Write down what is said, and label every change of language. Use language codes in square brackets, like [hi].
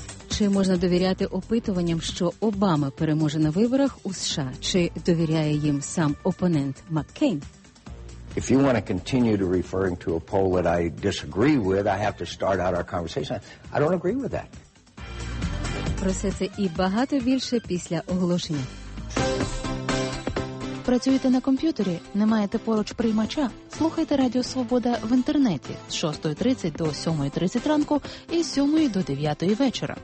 [uk] Чи можна довіряти опитуванням, що Обама переможе на виборах у США? Чи довіряє їм сам опонент Маккейн? [en] If you want to continue to referring to a poll that I disagree with, I have to start out our conversation. I don't agree with that. [uk] Про все це і багато більше після оголошення. Працюєте на комп'ютері? Не маєте поруч приймача? Слухайте Радіо Свобода в інтернеті з 6:30 до 7:30 ранку і з 7 до 9 вечора.